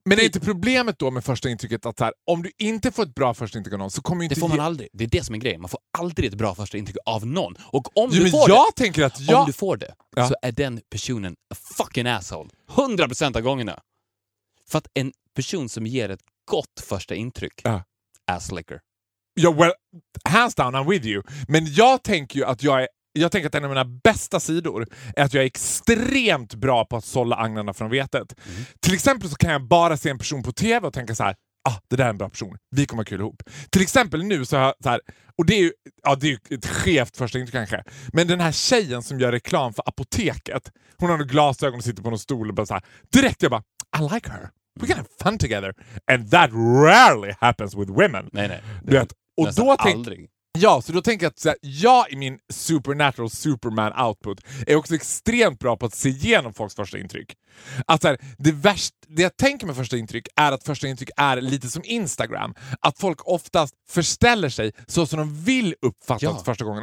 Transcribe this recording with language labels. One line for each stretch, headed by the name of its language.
Swedish: Men är inte problemet då med första intrycket att så här, om du inte får ett bra första intryck av någon så kommer ju inte... Det får man aldrig. Det är det som är grejen. Man får aldrig ett bra första intryck av någon. Och om du får det... Jag tänker att jag... Om du får det, ja, så är den personen a fucking asshole. 100% av gångerna. För att en person som ger ett gott första intryck, ja,
English: ass licker. Ja, yeah, well, hands down, I'm with you.
Swedish: Men jag tänker ju att jag är... Jag tänker att en av mina bästa sidor är att jag är extremt bra på att sålla agnarna från vetet. Mm. Till exempel så kan jag bara se en person på TV och tänka så här: ah, det där är en bra person. Vi kommer ha kul ihop. Till exempel nu så har jag så här, och det är ju, ja, det är ju ett skevt första intryck kanske. Men den här tjejen som gör reklam för apoteket, hon har nog glasögon och sitter på någon stol och bara så här, direkt jag bara, I like her.
English: We're gonna have fun together. And that rarely happens with women.
Swedish: Nej, nej. Du vet, och då aldrig. Ja, så då tänker jag att så här, jag i min supernatural superman output är också extremt bra på att se igenom folks första intryck. Att så här, det värsta, det jag tänker med första intryck är att första intryck är lite som Instagram. Att folk oftast förställer sig så som de vill uppfattas, ja, första gången.